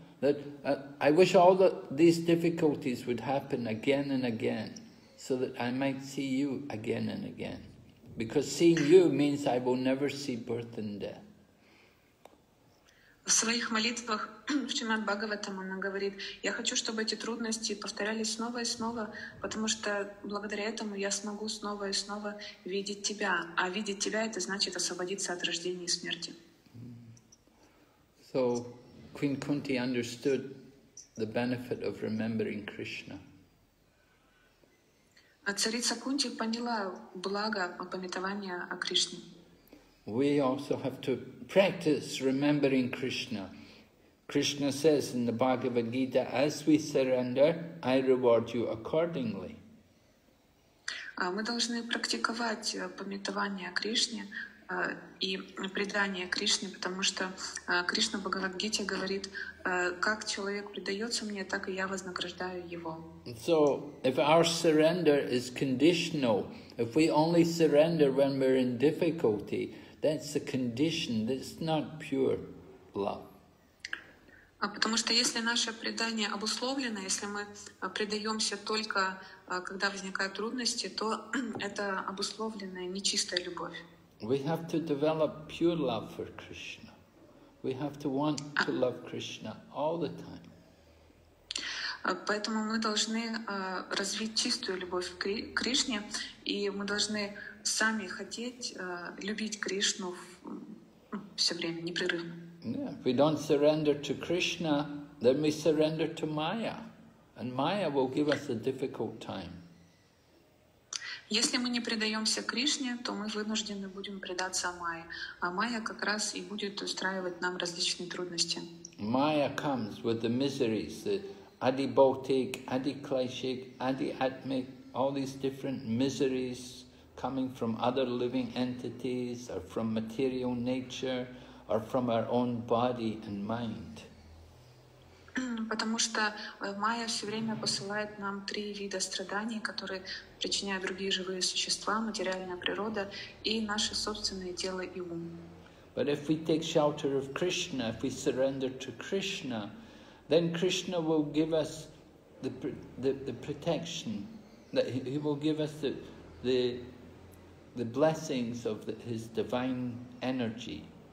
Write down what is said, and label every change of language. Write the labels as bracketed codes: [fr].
[en] That I wish all the, these difficulties would happen again and again, so that I might see you again and again. Because seeing you means I will never see birth and death. [ru] В своих молитвах в Шримад Бхагаватам она говорит, я хочу, чтобы эти трудности повторялись снова и снова, потому что благодаря этому я смогу снова и снова видеть тебя. А видеть тебя — это значит освободиться от рождения и смерти. [en] So, Queen Kunti understood the benefit of remembering Krishna. [ru] А царица Кунти поняла благо памятования о Кришне. [en] We also have to practice remembering Krishna. Krishna says in the Bhagavad Gita, as we surrender, I reward you accordingly. [ru] Мы должны практиковать памятование о Кришне и предание Кришне, потому что Кришна в Бхагавад Гите говорит, как человек предается мне, так и я вознаграждаю его. [en] So, if our surrender is conditional, if we only surrender when we're in difficulty, that's the condition, that's not pure love. [ru] Потому что если наше предание обусловлено, если мы предаемся только когда возникают трудности, то это обусловленная нечистая любовь. [en] We have to develop pure love for Krishna. We have to want to love Krishna all the time. [ru] Поэтому мы должны развить чистую любовь к Кришне, и мы должны сами хотеть любить Кришну все время, непрерывно. [en] Yeah. If we don't surrender to Krishna, then we surrender to Maya, and Maya will give us a difficult time. [ru] Если мы не предаемся Кришне, то мы вынуждены будем предаться Майе, а Майя как раз и будет устраивать нам различные трудности. [en] Maya comes with the miseries, the adibhautik, adiklaishik, adiatmik, all these different miseries coming from other living entities or from material nature or from our own body and mind. [ru] Потому что Майя все время посылает нам три вида страданий, которые причиняют другие живые существа, материальная природа и наше собственное тело и ум. [en] But if we take shelter of Krishna, if we surrender to Krishna, then Krishna will give us the protection, that he will give us the blessings of his divine energy.